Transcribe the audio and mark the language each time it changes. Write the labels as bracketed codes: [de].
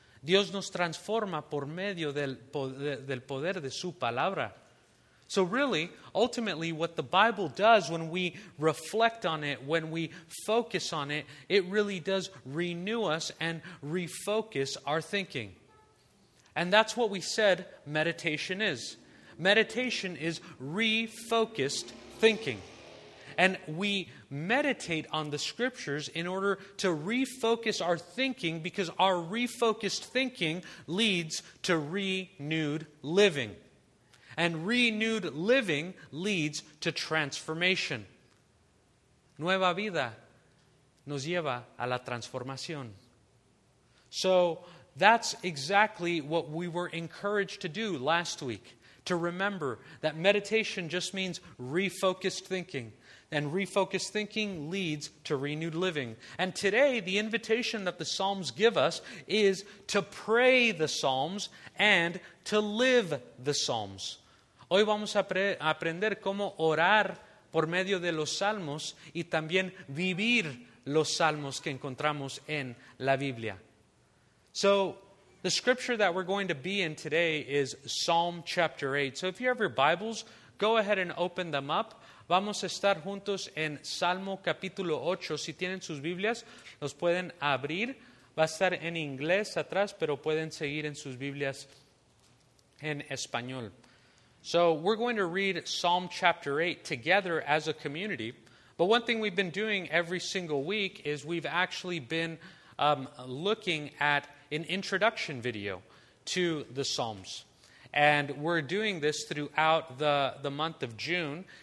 [es] Dios nos transforma por medio del poder de su palabra. [en] So really, ultimately, what the Bible does when we reflect on it, when we focus on it, it really does renew us and refocus our thinking. And that's what we said meditation is. Meditation is refocused thinking. And we meditate on the Scriptures in order to refocus our thinking because our refocused thinking leads to renewed living. And renewed living leads to transformation. [es] Nueva vida nos lleva a la transformación. [en] So that's exactly what we were encouraged to do last week. To remember that meditation just means refocused thinking. And refocused thinking leads to renewed living. And today, the invitation that the Psalms give us is to pray the Psalms and to live the Psalms. [es] Hoy vamos a aprender cómo orar por medio de los salmos y también vivir los salmos que encontramos en la Biblia. [en] So, the scripture that we're going to be in today is Psalm chapter 8. So, if you have your Bibles, go ahead and open them up. [es] Vamos a estar juntos en Salmo capítulo 8. Si tienen sus Biblias, los pueden abrir. Va a estar en inglés atrás, pero pueden seguir en sus Biblias en español. [en] So we're going to read Psalm chapter 8 together as a community. But one thing we've been doing every single week is we've actually been looking at an introduction video to the Psalms. And we're doing this throughout the month of June.